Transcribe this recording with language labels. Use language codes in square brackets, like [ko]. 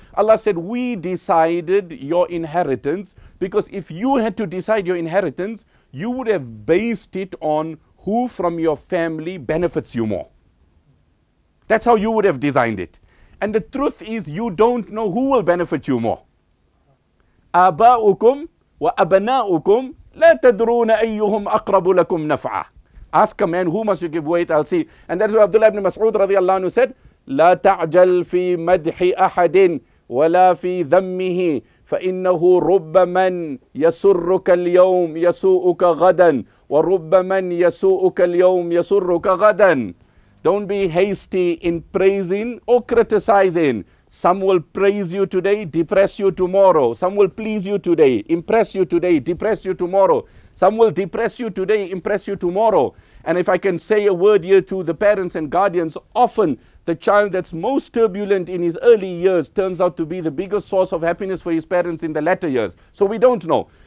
[en] Allah said, we decided your inheritance, because if you had to decide your inheritance, you would have based it on who from your family benefits you more. That's how you would have designed it. And the truth is, you don't know who will benefit you more. [ar] أَبَاؤُكُمْ وَأَبَنَاؤُكُمْ لَا تَدْرُونَ أَيُّهُمْ أَقْرَبُ لَكُمْ نَفْعًا. [en] Ask a man, who must you give weight? I'll see. And that's what Abdullah ibn Mas'ud radiallahu anhu said, [ar] لَا تَعْجَلْ فِي مَدْحِ أَحَدٍ وَلَا فِي ذَمِّهِ فَإِنَّهُ رُبَّ مَنْ يَسُرُّكَ الْيَوْمِ يَسُوءُكَ غَدًا وَرُبَّ مَنْ يَسُوءُكَ الْيَوْمِ يَسُرُّكَ غَدًا. [en] Don't be hasty in praising or criticizing. Some will praise you today, depress you tomorrow. Some will please you today, impress you today, depress you tomorrow. Some will depress you today, impress you tomorrow. And if I can say a word here to the parents and guardians, often the child that's most turbulent in his early years turns out to be the biggest source of happiness for his parents in the latter years. So we don't know.